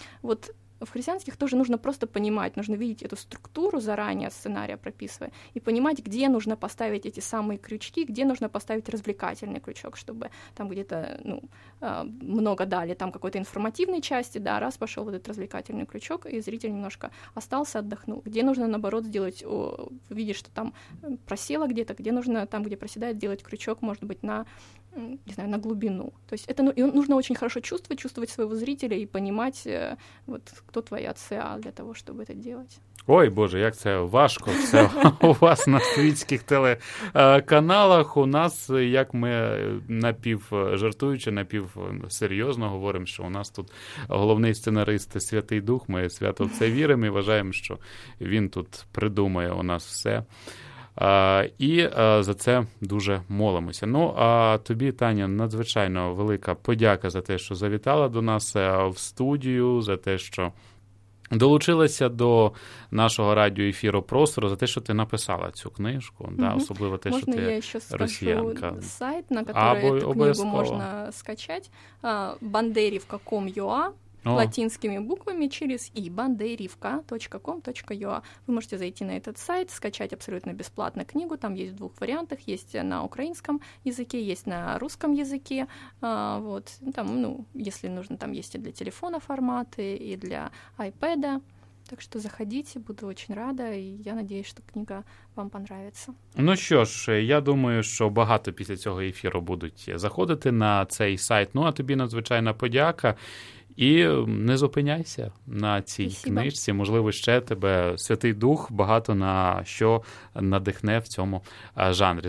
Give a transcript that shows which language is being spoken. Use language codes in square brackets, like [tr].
[ru] Вот в христианских тоже нужно просто понимать, нужно видеть эту структуру заранее, сценария прописывая, и понимать, где нужно поставить эти самые крючки, где нужно поставить развлекательный крючок, чтобы там где-то много дали там какой-то информативной части, да, раз пошел вот этот развлекательный крючок, и зритель немножко остался, отдохнул. Где нужно, наоборот, сделать, видишь, что там просело где-то, где нужно там, где проседает, сделать крючок, может быть, на глубину. То есть это нужно очень хорошо чувствовать своего зрителя и понимать, вот, кто твоя ЦА для того, чтобы это делать. [uk] Ой, Боже, як це важко все у вас на світських телеканалах. У нас, як ми напівжартуючи, напівсерйозно говоримо, що у нас тут головний сценарист Святий Дух, ми свято в це віримо і вважаємо, що він тут придумає у нас все. І за це дуже молимося. Ну, а тобі, Таня, надзвичайно велика подяка за те, що завітала до нас в студію, за те, що долучилася до нашого радіоефіру «Простору», за те, що ти написала цю книжку, да, особливо те, можна, що ти росіянка. Можна я ще скажу сайт, на який цю книгу можна скачати? [ru] Banderivka.com.ua латинскими буквами через и banderivka.com.ua. Вы можете зайти на этот сайт, скачать абсолютно бесплатно книгу. Там есть в двух вариантах. Есть на украинском языке, есть на русском языке. Вот. Там, если нужно, там есть и для телефона форматы, и для iPad. Так что заходите, буду очень рада, и я надеюсь, что книга вам понравится. [uk] Ну що ж, я думаю, що багато після цього ефіру будуть заходити на цей сайт. Ну, а тобі надзвичайна подяка. І не зупиняйся на цій книжці. Можливо, ще тебе Святий Дух багато на що надихне в цьому жанрі.